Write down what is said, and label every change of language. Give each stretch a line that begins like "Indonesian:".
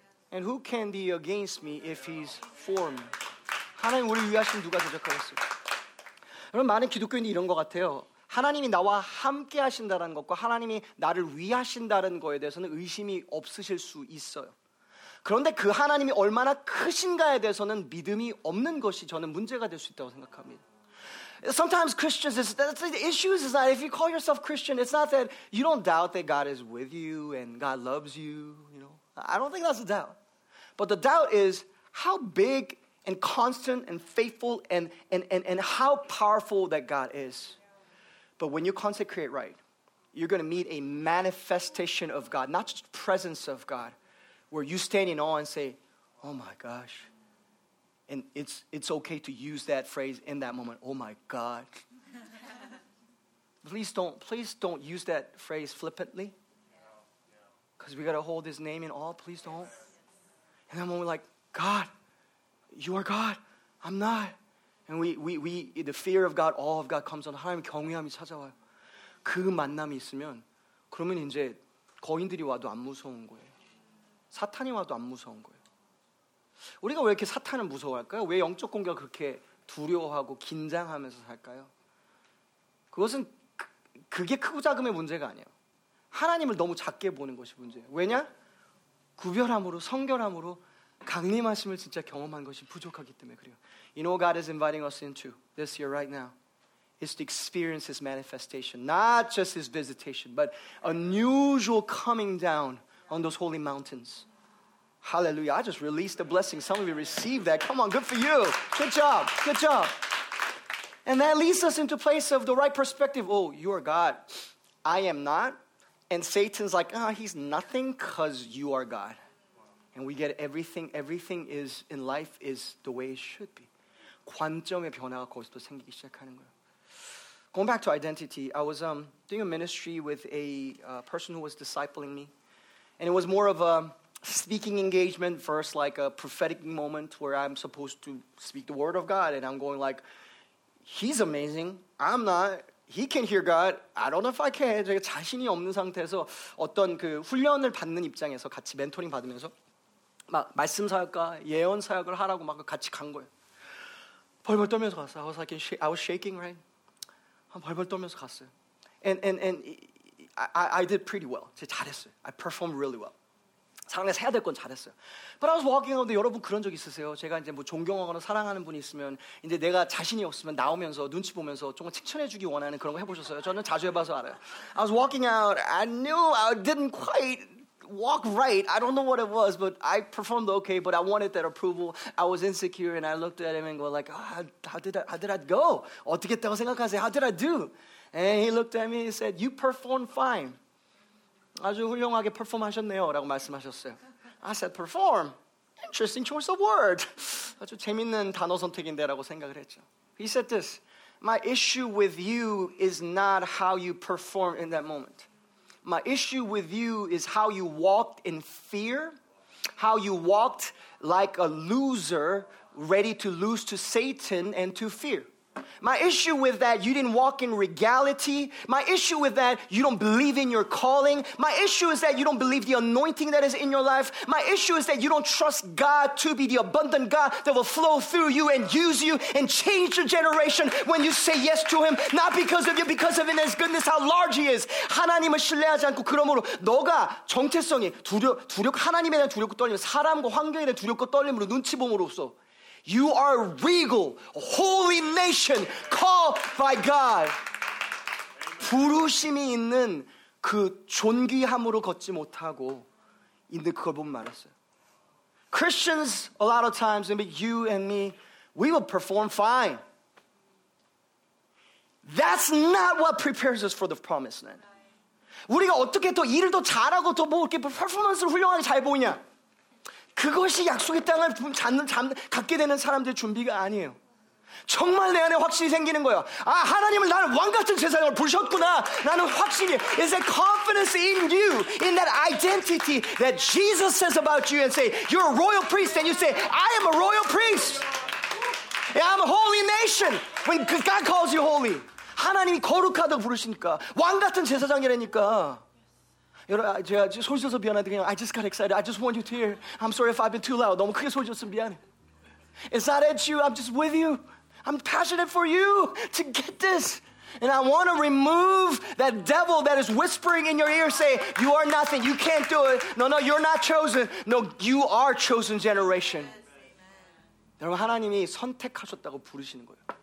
English: And who can be against me if he's for me?
Korean: 하나님, 우리 위하신 누가 대적하겠어요? 여러분, 많은 기독교인이 이런 것 같아요. 하나님이 나와 함께 하신다는 것과 하나님이 나를 위하신다는 것에 대해서는 의심이 없으실 수 있어요. 그런데 그 하나님이 얼마나 크신가에 대해서는 믿음이 없는 것이 저는 문제가 될 수 있다고 생각합니다.
English: Sometimes Christians, the issue is that if you call yourself Christian, it's not that you don't doubt that God is with you and God loves you. You know, I don't think that's a doubt. But the doubt is how big and constant and faithful and how powerful that God is. But when you consecrate right, you're going to meet a manifestation of God, not just presence of God, where you stand in awe and say, oh my gosh. And it's okay to use that phrase in that moment, oh my God. please don't use that phrase flippantly, because we got to hold his name in awe. Please don't. And then when we're like, God, you are God, I'm not. And we the fear of God, awe of God comes on.
Korean: 하나님 경외함이 찾아와요. 그 만남이 있으면 그러면 이제 거인들이 와도 안 무서운 거예요. 사탄이 와도 안 무서운 거예요. 우리가 왜 이렇게 사탄을 무서워할까요? 왜 영적 공격을 그렇게 두려워하고 긴장하면서 살까요? 그것은 그게 크고 작음의 문제가 아니에요. 하나님을 너무 작게 보는 것이 문제예요. 왜냐? 구별함으로, 성결함으로 강림하심을 진짜 경험한 것이 부족하기 때문에 그래요.
English: You know what God is inviting us into this year right now? It's to experience his manifestation. Not just his visitation, but unusual coming down on those holy mountains. Hallelujah. I just released a blessing. Some of you received that. Come on, good for you. Good job. And that leads us into place of the right perspective. Oh, you are God. I am not. And Satan's like, he's nothing because you are God. And we get everything. Everything is in life is the way it should be.
Korean: 관점의 변화가 거기서 생기기 시작하는 거예요.
English: Going back to identity, I was doing a ministry with a person who was discipling me. And it was more of a speaking engagement versus like a prophetic moment where I'm supposed to speak the word of God. And I'm going like, he's amazing. I'm not. He can hear God. I don't know if I can.
Korean: 제가 자신이 없는 상태에서 어떤 그 훈련을 받는 입장에서 같이 멘토링 받으면서 막 말씀 사역과 예언 사역을 하라고 막 같이 간 거예요. 벌벌 떨면서 갔어요.
English: I was shaking, right?
Korean: 벌벌 떨면서 갔어요.
English: And I did pretty well.
Korean: 제가 잘했어요.
English: I performed really well.
Korean: 사랑해서 해야 될 건 잘했어요.
English: But I was walking out.
Korean: 여러분 그런 적 있으세요? 제가 이제 뭐 존경하거나 사랑하는 분이 있으면 이제 내가 자신이 없으면 나오면서 눈치 보면서 조금 칭찬해주기 원하는 그런 거 해보셨어요? 저는 자주 해봐서 알아요.
English: I was walking out. I knew I didn't quite walk right. I don't know what it was, but I performed okay. But I wanted that approval. I was insecure, and I looked at him and go like, oh, how did I go?
Korean: 어떻게 했다고 생각하세요?
English: How did I do? And he looked at me and said, "You performed fine."
Korean: 아주 훌륭하게 perform 하셨네요 라고 말씀하셨어요.
English: I said, perform? Interesting choice of word.
Korean: 아주 재밌는 단어 선택인데 라고 생각을 했죠.
English: He said this, my issue with you is not how you perform in that moment. My issue with you is how you walked in fear, how you walked like a loser, ready to lose to Satan and to fear. My issue with that, you didn't walk in regality. My issue with that, you don't believe in your calling. My issue is that you don't believe the anointing that is in your life. My issue is that you don't trust God to be the abundant God that will flow through you and use you and change your generation when you say yes to Him. Not because of you, because of His goodness, how large He is.
Korean: 하나님을 신뢰하지 않고 그러므로 너가 정체성이 두렵고 하나님에 대한 두렵고 떨림, 사람과 환경에 대한 두렵고 떨림으로 눈치 봄으로써
English: You are a regal, holy nation called by God.
Korean: 부르심이 있는 그 존귀함으로 걷지 못하고 있는 그걸 보면 말했어요.
English: Christians, a lot of times, maybe you and me, we will perform fine. That's not what prepares us for the promised land.
Korean: 우리가 어떻게 더 일을 더 잘하고 더 뭐 이렇게 퍼포먼스를 훌륭하게 잘 보이냐? 그것이 약속의 땅을 갖게 되는 사람들의 준비가 아니에요. 정말 내 안에 확신이 생기는 거예요. 아, 하나님을 나는 왕같은 제사장을 부르셨구나. 나는 확신이.
English: Is that confidence in you, in that identity that Jesus says about you and say, you're a royal priest. And you say, I am a royal priest. Yeah, I'm a holy nation. When God calls you holy.
Korean: 하나님이 거룩하다고 부르시니까. 왕같은 제사장이라니까. 여러분, 제가 소리 질러서 미안한데 그냥
English: I just got excited. I just want you to hear. I'm sorry if I've been too loud.
Korean: 너무 크게 소리 질러서 미안해.
English: It's not at you. I'm just with you. I'm passionate for you to get this. And I want to remove that devil that is whispering in your ear saying, you are nothing. You can't do it. No, no, you're not chosen. No, you are chosen generation.
Korean: Yes, 여러분, 하나님이 선택하셨다고 부르시는 거예요.